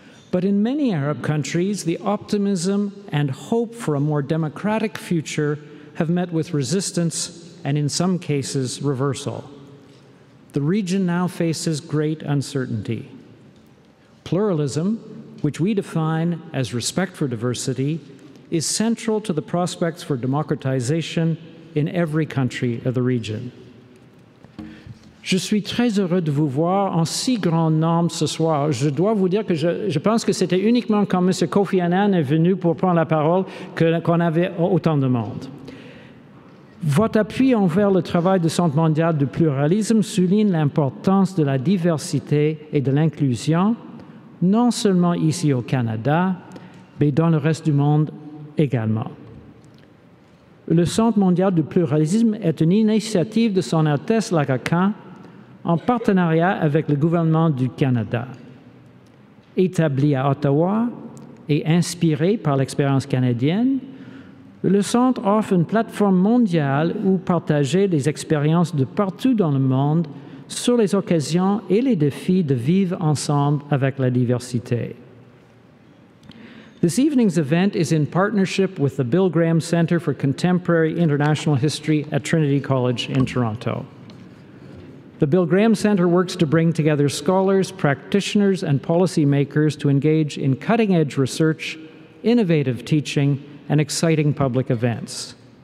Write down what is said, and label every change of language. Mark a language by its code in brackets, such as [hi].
[en] But in many Arab countries, the optimism and hope for a more democratic future have met with resistance and, in some cases, reversal. The region now faces great uncertainty. Pluralism, which we define as respect for diversity, is central to the prospects for democratization in every country of the region. [fr] Je suis très heureux de vous voir en si grand nombre ce soir. Je dois vous dire que je pense que c'était uniquement quand M. Kofi Annan est venu pour prendre la parole qu'on avait autant de monde. Votre appui envers le travail du Centre mondial du pluralisme souligne l'importance de la diversité et de l'inclusion, non seulement ici au Canada, mais dans le reste du monde également. Le Centre mondial du pluralisme est une initiative de Son Altesse l'Aga Khan en partenariat avec le gouvernement du Canada. Établi à Ottawa et inspiré par l'expérience canadienne, le Centre offre une plateforme mondiale où partager des expériences de partout dans le monde sur les occasions et les défis de vivre ensemble avec la diversité. [en] This evening's event is in partnership with the Bill Graham Center for Contemporary International History at Trinity College in Toronto. The Bill Graham Center works to bring together scholars, practitioners, and policymakers to engage in cutting-edge research, innovative teaching, and exciting public events.